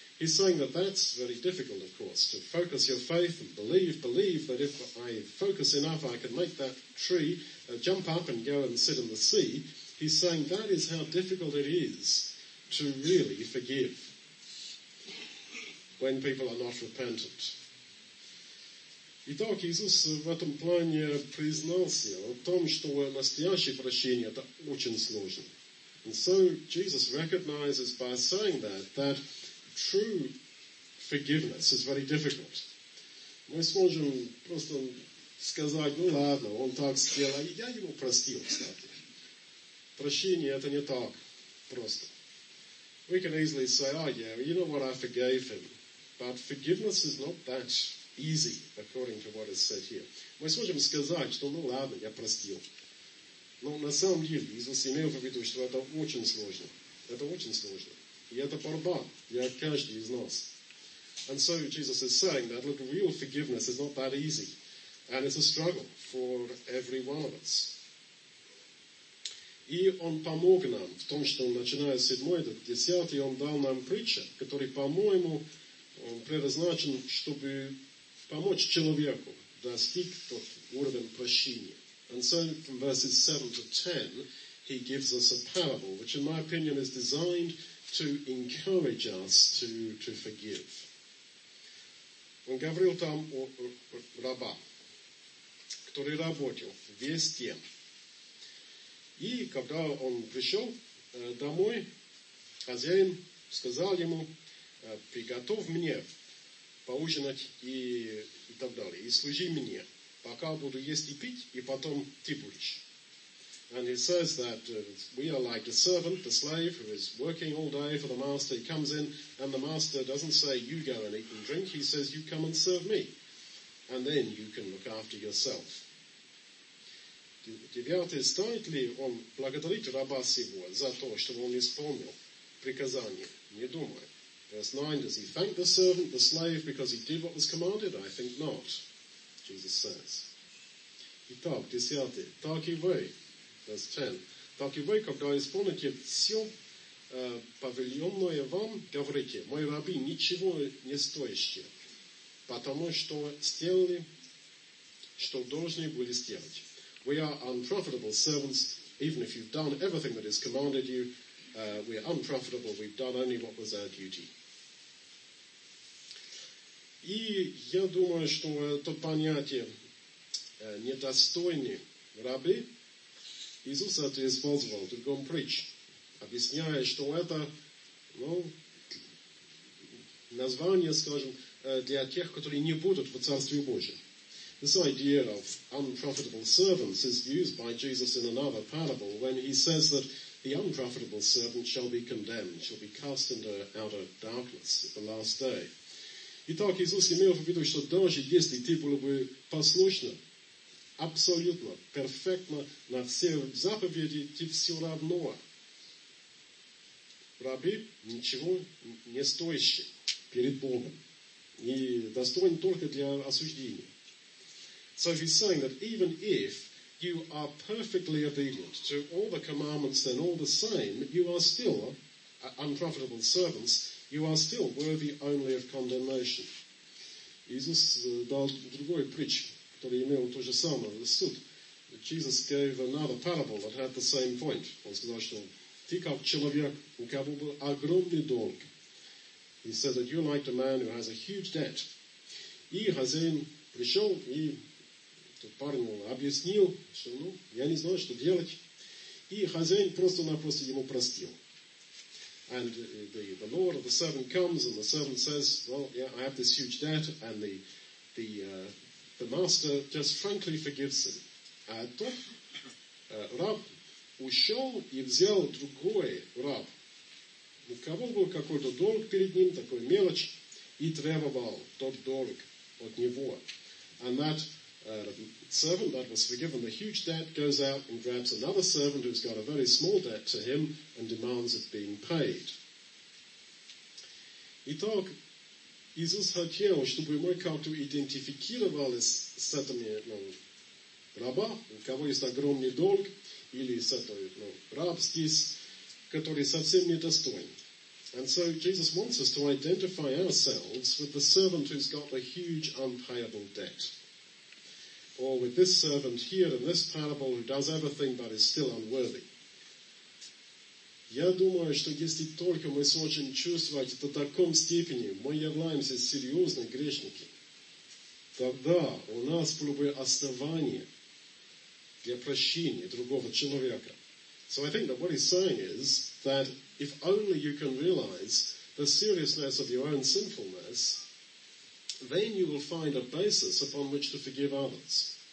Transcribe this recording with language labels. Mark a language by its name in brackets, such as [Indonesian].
[English] He's saying that that's very difficult, of course, to focus your faith and believe that if I focus enough, I can make that tree jump up and go and sit in the sea. He's saying that is how difficult it is to really forgive when people are not repentant. [Russian] Итак, Иисус в этом плане признался о том, что настоящее прощение – это очень сложно. [English] And so Jesus recognizes by saying that true forgiveness is very difficult. [Russian] Мы сможем просто сказать, ну ладно, он так сделал, и я его простил, кстати. Прощение – это не так просто. [English] We can easily say, oh yeah, you know what, I forgave him. But forgiveness is not that easy, according to what is said here. [Russian] Мы сможем сказать, что ну ладно, я простил. Но на самом деле, Иисус имел в виду, что это очень сложно. Это очень сложно. И это борьба для каждого из нас. [English] And so Jesus is saying that, look, real forgiveness is not that easy. And it's a struggle for every one of us. [Russian] И Он помог нам в том, что начиная с 7 до 10, Он дал нам притчу, который, по-моему, он предназначен, чтобы помочь человеку достиг тот уровень прощения. [English] And so from verses 7 to 10, he gives us a parable, which in my opinion is designed to encourage us to forgive. [Russian] Он говорил там о раба, который работал весь день. И когда он пришел домой, хозяин сказал ему, приготовь мне поужинать и так далее. И служи мне, пока буду есть и пить, и потом ты будешь. [English] And he says that we are like the servant, the slave, who is working all day for the master. He comes in, and the master doesn't say, you go and eat and drink. He says, you come and serve me. And then you can look after yourself. [Russian] Девятый стоит ли он благодарить раба сего за то, что он исполнил приказание? Не думаю. [English] Verse 9, does he thank the servant, the slave, because he did what was commanded? I think not, Jesus says. [Russian] Итак, 10, так и вы, [English] verse 10, [Russian] так и вы, когда исполните все повеленное вам, говорите, мой раби, ничего не стоящее, потому что сделали, что должны были сделать. [English] We are unprofitable servants, even if you've done everything that is commanded you, we are unprofitable, we've done only what was our duty. [Russian] И я думаю, что это понятие «недостойный рабы» Иисус это использовал в другом притче, объясняя, что это, ну, название, скажем, для тех, которые не будут в Царстве Божьем. [English] This idea of unprofitable servants is used by Jesus in another parable when he says that the unprofitable servant shall be condemned, shall be cast into outer darkness at the last day. [Russian] И так Иисус имел в виду, что даже если ты был бы послушен абсолютно, перфектно на все заповеди, ты все равно рабы ничего не стоящие перед Богом и достойны только для осуждения. [English] So he's saying that even if you are perfectly obedient to all the commandments and all the same, you are still unprofitable servants, you are still worthy only of condemnation. [Russian] Иисус дал другую притчу, который имел то же самое суть. [English] Jesus gave another parable that had the same point. [Russian] Он сказал, что ты как человек, у кого был огромный долг. [English] He said that you're like the man who has a huge debt. [Russian] И хозяин пришел и парню объяснил, что ну, я не знаю, что делать. И хозяин просто-напросто ему простил. [English] And the Lord of the servant comes and the servant says, well, yeah, I have this huge debt, and the master just frankly forgives him. [Russian] А тот раб ушел и взял другой раб. У кого был какой-то долг перед ним, такой мелочь, и требовал тот долг от него. [English] And that servant that was forgiven the huge debt goes out and grabs another servant who's got a very small debt to him and demands it being paid. [Russian] Итак, Иисус хотел, чтобы мы как-то идентифицировали с этими раба, у кого есть огромный долг, или с этой раб здесь, который совсем не достоин. [English] And so Jesus wants us to identify ourselves with the servant who's got a huge unpayable debt. Or with this servant here in this parable who does everything but is still unworthy. [Russian] Я думаю, что если только мы сможем чувствовать до таком степени, мы являемся серьезными грешниками, тогда у нас было бы основание для прощения другого человека. [English] So I think that what he's saying is that if only you can realize the seriousness of your own sinfulness, then you will find a basis upon which to forgive others.